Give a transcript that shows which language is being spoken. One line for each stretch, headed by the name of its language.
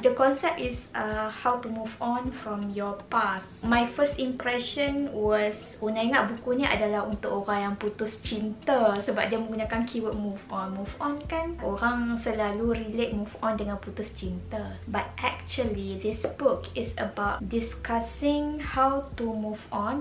English: The concept is how to move on from your past. My first impression was
Malay: Una ingat buku ni adalah untuk orang yang putus cinta sebab dia menggunakan keyword move on. Move on kan, orang selalu relate move on dengan putus cinta.
English: But actually, this book is about discussing how to move on.